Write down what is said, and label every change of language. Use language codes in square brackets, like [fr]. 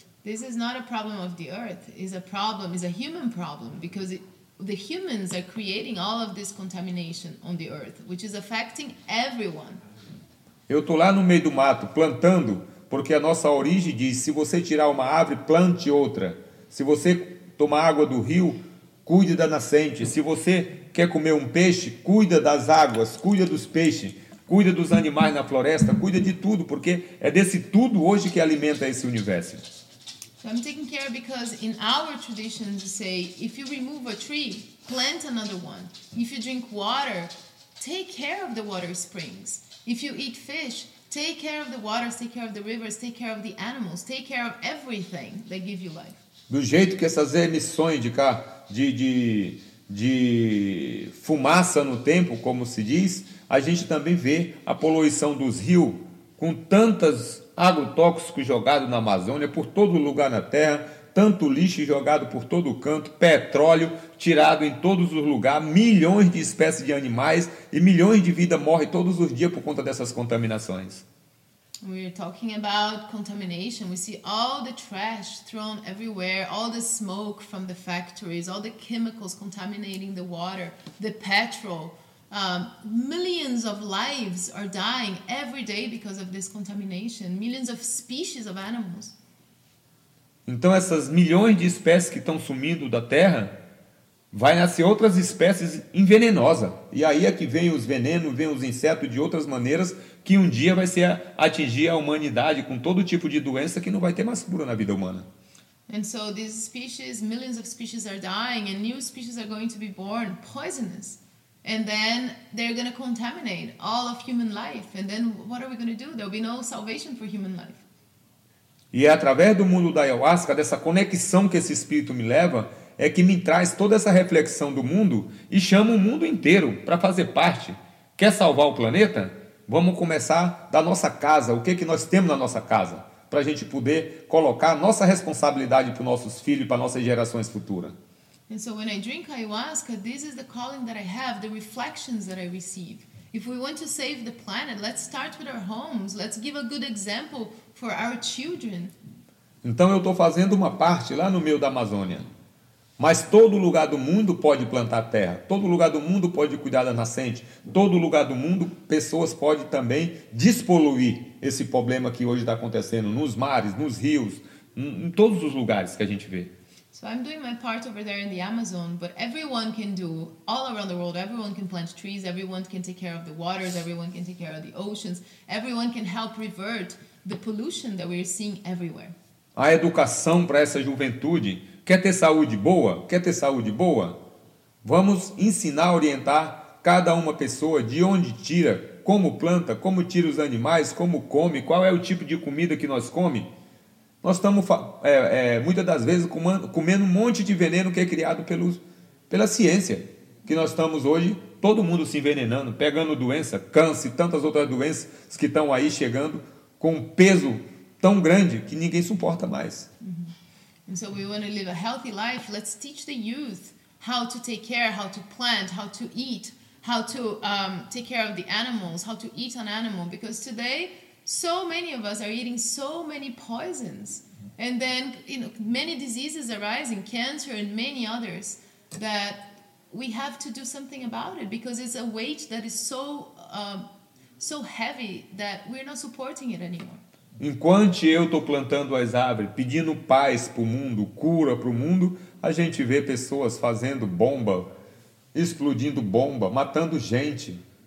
[en] This is not a problem of the earth. It's a problem, it's a human problem, because the humans are creating all of this contamination on the earth, which is affecting everyone. [pt] Eu estou lá no meio do mato, plantando, porque a nossa origem diz, se você tirar uma árvore, plante outra. Se você tomar água do rio, cuide da nascente. Se você quer comer um peixe, cuida das águas, cuida dos peixes, cuida dos animais na floresta, cuida de tudo, porque é desse tudo hoje que alimenta esse universo. [en] So I'm taking care because in our tradition we say, if you remove a tree, plant another one. If you drink water, take care of the water springs. If you eat fish, take care of the waters, take care of the rivers, take care of the animals, take care of everything that give you life. [pt] Do jeito que essas emissões de cá, de fumaça no tempo, como se diz, a gente também vê a poluição dos rios com tantas agrotóxicos jogados na Amazônia, por todo lugar na Terra, tanto lixo jogado por todo canto, petróleo tirado em todos os lugares, milhões de espécies de animais e milhões de vidas morrem todos os dias por conta dessas contaminações. [en] We're talking about contamination. We see all the trash thrown everywhere, all the smoke from the factories, all the chemicals contaminating the water, the petrol. Millions of lives are dying every day because of this contamination. Millions of species of animals. [pt] Então essas milhões de espécies que estão sumindo da Terra, vai nascer outras espécies envenenosas. E aí é que vem os venenos, vem os insetos de outras maneiras que um dia vai ser atingir a humanidade com todo tipo de doença que não vai ter mais cura na vida humana. [en] And so these species, millions of species are dying and new species are going to be born, poisonous. And then they're going to contaminate all of human life. And then what are we going to do? There will be no salvation for human life. [pt] E é através do mundo da Ayahuasca, dessa conexão que esse espírito me leva, é que me traz toda essa reflexão do mundo e chama o mundo inteiro para fazer parte. Quer salvar o planeta? Vamos começar da nossa casa, o que, que nós temos na nossa casa, para a gente poder colocar a nossa responsabilidade para os nossos filhos, para nossas gerações futuras. [en] And so when I drink ayahuasca, this is the calling that I have, the reflections that I receive. If we want to save the planet, let's start with our homes, let's give a good example for our children. [pt] Então eu estou fazendo uma parte lá no meio da Amazônia. Mas todo lugar do mundo pode plantar terra, todo lugar do mundo pode cuidar da nascente, todo lugar do mundo, pessoas podem também despoluir esse problema que hoje está acontecendo nos mares, nos rios, em todos os lugares que a gente vê. [en] So I'm doing my part over there in the Amazon, but everyone can do, all around the world, everyone can plant trees, everyone can take care of the waters, everyone can take care of the oceans, everyone can help revert the pollution that we're seeing everywhere. [pt] A educação para essa juventude, quer ter saúde boa? Quer ter saúde boa? Vamos ensinar, orientar cada uma pessoa de onde tira, como planta, como tira os animais, como come, qual é o tipo de comida que nós comemos. Nós estamos, muitas das vezes, comendo um monte de veneno que é criado pela ciência. Que nós estamos hoje, todo mundo se envenenando, pegando doença, câncer e tantas outras doenças que estão aí chegando com um peso tão grande que ninguém suporta mais. [en] And so we want to live a healthy life. Let's teach the youth how to take care, how to plant, how to eat, how to take care of the animals, how to eat an animal. Because today, so many of us are eating so many poisons. And then, you know, many diseases arising, cancer and many others, that we have to do something about it. Because it's a weight that is so so heavy that we're not supporting it anymore. [pt] Enquanto eu estou plantando as árvores, pedindo paz para o mundo, cura para o mundo, a gente vê pessoas fazendo bomba, explodindo bomba, matando gente.